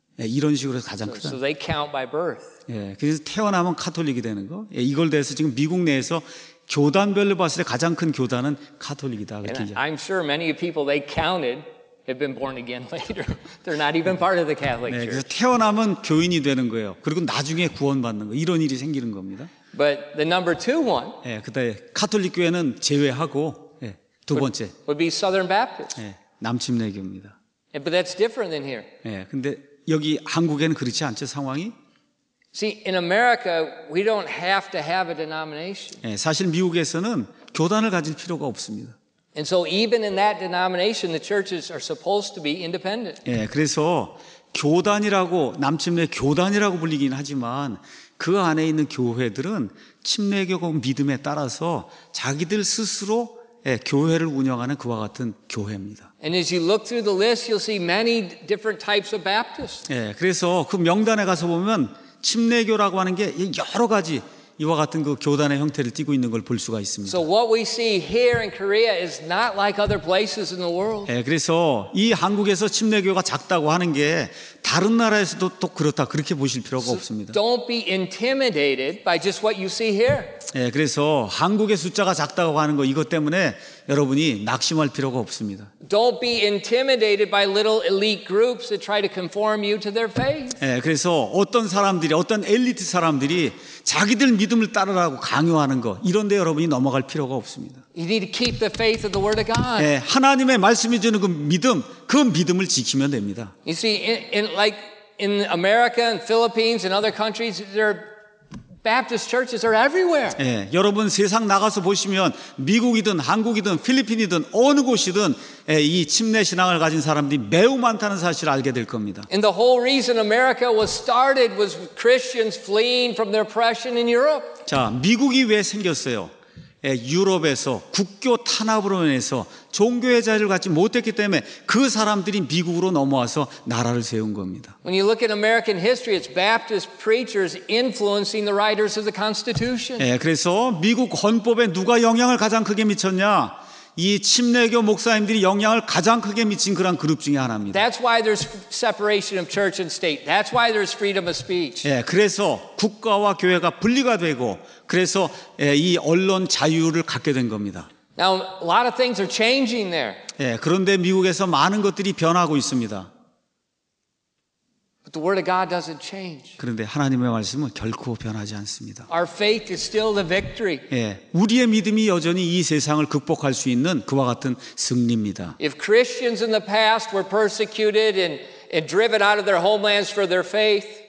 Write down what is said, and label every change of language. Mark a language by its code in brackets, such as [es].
[ko] 예, 이런 식으로 가장 크다. [en] So they count by birth. [ko] 예, 그래서 태어나면 가톨릭이 되는 거. 예, 이걸 대해서 지금 미국 내에서 교단별로 봤을 때 가장 큰 교단은 가톨릭이다. [en] I'm sure many people they counted have been born again later. They're not even part of the Catholic Church. [ko] 네, 그래서 태어나면 교인이 되는 거예요. 그리고 나중에 구원받는 거 이런 일이 생기는 겁니다. [en] But the number two one. [ko] 예, 그다음에 가톨릭 교회는 제외하고 예, 두 번째. [en] Would be Southern Baptist. [ko] 예, 남침례교입니다. [en] Yeah, but that's different than here. [ko] 예, 근데 여기 한국에는 그렇지 않죠 상황이? [en] See, in America, we don't have to have a denomination. [ko] 예, 사실 미국에서는 교단을 가질 필요가 없습니다. [en] And so, even in that denomination, the churches are supposed to be independent. [ko] 예, 그래서 교단이라고 남침례 교단이라고 불리긴 하지만 그 안에 있는 교회들은 침례교고 믿음에 따라서 자기들 스스로 예, 교회를 운영하는 그와 같은 교회입니다. [en] And as you look through the list, you'll see many different types of Baptists. [ko] 예, 그래서 그 명단에 가서 보면 침례교라고 하는 게 여러 가지 이와 같은 그 교단의 형태를 띠고 있는 걸 볼 수가 있습니다. [en] So what we see here in Korea is not like other places in the world. [ko] 예, 그래서 이 한국에서 침례교가 작다고 하는 게 다른 나라에서도 또 그렇다 그렇게 보실 필요가 [en] so [ko] 없습니다. [en] Don't be intimidated by just what you see here. [ko] 예, 그래서 한국의 숫자가 작다고 하는 거 이것 때문에 여러분이 낙심할 필요가 없습니다. [en] Don't be intimidated by little elite groups that try to conform you to their faith. [ko] 예, 그래서 어떤 사람들이 어떤 엘리트 사람들이 자기들 믿음을 따르라고 강요하는 거 이런데 여러분이 넘어갈 필요가 없습니다. [en] You need to keep the faith of the word of God. [ko] 예, 하나님의 말씀이 주는 그 믿음을 지키면 됩니다. [en] You see, in like in America and Philippines and other countries, there Baptist churches are everywhere. [ko] 예, 여러분 세상 나가서 보시면 미국이든 한국이든 필리핀이든 어느 곳이든 예, 이 침례 신앙을 가진 사람들이 매우 많다는 사실을 알게 될 겁니다. [en] And the whole reason America was started was Christians fleeing from their oppression in Europe. [ko] 자, 미국이 왜 생겼어요? 예, 유럽에서 국교 탄압으로 인해서 종교의 자유를 갖지 못했기 때문에 그 사람들이 미국으로 넘어와서 나라를 세운 겁니다. [en] When you look at American history, it's Baptist preachers influencing the writers of the Constitution. [ko] 예, 그래서 미국 헌법에 누가 영향을 가장 크게 미쳤냐? 이 침례교 목사님들이 영향을 가장 크게 미친 그런 그룹 중에 하나입니다. [en] That's why there's separation of church and state. That's why there's freedom of speech. [ko] 예, 그래서 국가와 교회가 분리가 되고 그래서 예, 이 언론 자유를 갖게 된 겁니다. [en] Now a lot of things are changing there. [ko] 예, 그런데 미국에서 많은 것들이 변하고 있습니다. [en] But the word of God doesn't change. [ko] 그런데 하나님의 말씀은 결코 변하지 않습니다. [en] Our faith is still the victory. [ko] 예, 우리의 믿음이 여전히 이 세상을 극복할 수 있는 그와 같은 승리입니다. [en] If Christians in the past were persecuted and driven out of their homelands for their faith.